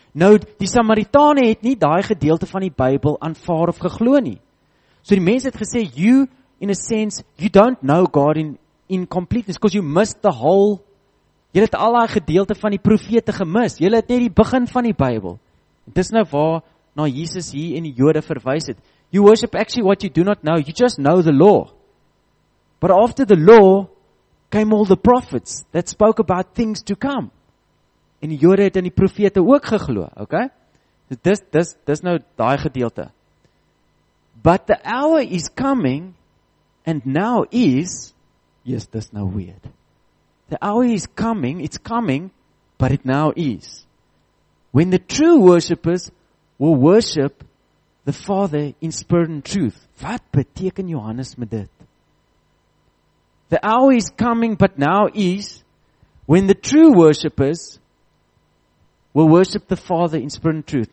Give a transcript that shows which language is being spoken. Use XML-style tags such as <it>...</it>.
<af>Nou, die Samaritane het nie daai gedeelte van die Bybel aanvaar of geglo nie. So die mense het gesê,</af> <en>you, in a sense, you don't know God in completeness, because you missed the whole,</en> <af>jy het al die gedeelte van die profete gemis, jy het net die begin van die Bybel. Dit is nou waar, na Jesus hier en die Jode verwys het.</af> <en>You worship actually what you do not know, you just know the law. But after the law, came all the prophets that spoke about things to come.</en> <af>En die Jode het in die profete ook geglo, okay? Dis nou daai gedeelte.</af> <en>But the hour is coming, and now is, yes,</en> <af>dis nou weird.</af> <en>The hour is coming, it's coming, but it now is. When the true worshippers will worship the Father in spirit and truth.</en> <af>Wat beteken Johannes met dit?</af> <en>The hour is coming, but now is, when the true worshippers We'll worship the Father in spirit and truth.</en>